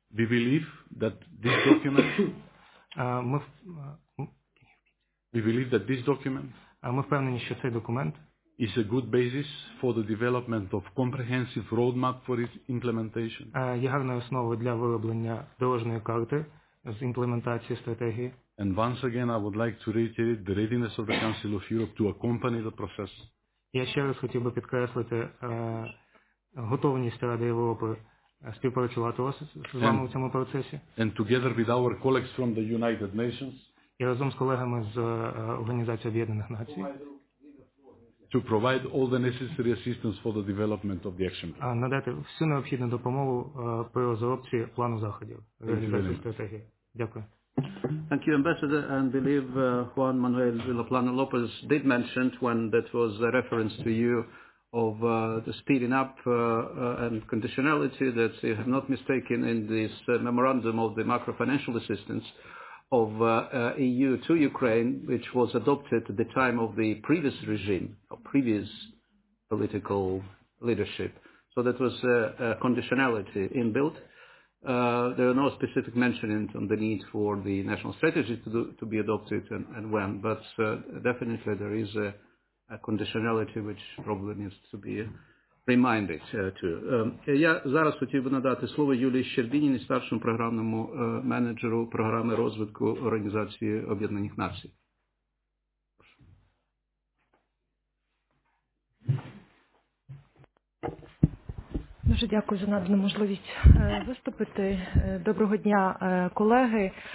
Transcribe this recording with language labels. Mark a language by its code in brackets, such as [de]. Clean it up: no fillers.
[en] We believe that this document [uk] ми впевнені, що цей документ [en] is a good basis for the development of comprehensive roadmap for its implementation. [uk] Є гарною основою для вироблення дорожньої карти з імплементації стратегії. [en] And once again, I would like to reiterate the readiness of the Council of Europe to accompany the process. [uk] Я ще раз хотів би підкреслити готовність Ради Європи співпрацювати з вами у цьому процесі. [en] And together with our colleagues from the United Nations. [uk] І разом з колегами з Організації Об'єднаних Націй. [en] To provide all the necessary assistance for the development of the action plan. [uk] Надати всю необхідну допомогу при розробці плану заходів, реалізації стратегії. Дякую. [en] Thank you, Ambassador, and believe Juan Manuel Villaplana López did mention when that was a reference to you of the speeding up and conditionality that you have not mistaken in this memorandum of the macro-financial assistance of EU to Ukraine, which was adopted at the time of the previous regime, or previous political leadership. So that was a conditionality inbuilt. There are no specific mentionings on the need for the national strategy to be adopted and when, but definitely there is a conditionality which probably needs to be reminded to. [uk] Я зараз хотів би надати слово Юлії Щербініні, старшому програмному менеджеру програми розвитку Організації Об'єднаних Націй. Дуже дякую за надану можливість виступити. Доброго дня, колеги.